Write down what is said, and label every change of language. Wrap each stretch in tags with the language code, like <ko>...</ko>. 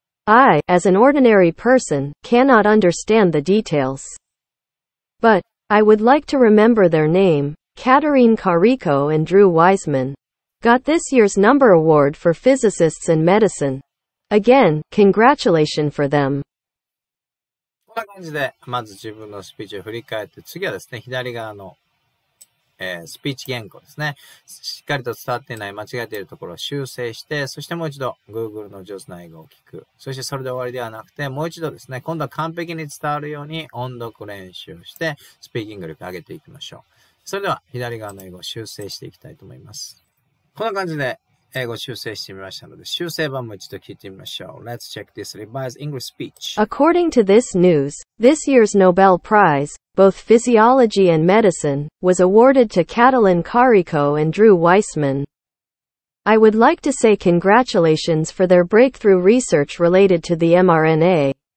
<en>I, as an ordinary person, cannot understand the details. But, I would like to remember their name, Katerine Carrico and Drew Wiseman. Got this year's number award for physicists in medicine. Again, congratulations for them.</en> <ja>こんな感じで、まず自分のスピーチを振り返って、次はですね、左側の、スピーチ原稿ですね。しっかりと伝わっていない、間違えているところを修正して、そしてもう一度 Google の上手な英語を聞く。そしてそれで終わりではなくて、もう一度ですね、今度は完璧に伝わるように音読練習をして、スピーキング力を上げていきましょう。それでは、左側の英語を修正していきたいと思います。こんな感じで英語修正してみましたので、修正版も一度聞いてみましょう。</ja> <en>Let's check this revised English speech. According to this news, this year's Nobel Prize, both physiology and medicine, was awarded to Katerine Carrico and Drew Wiseman. I would like to say congratulations for their breakthrough research related to the mRNA.</en>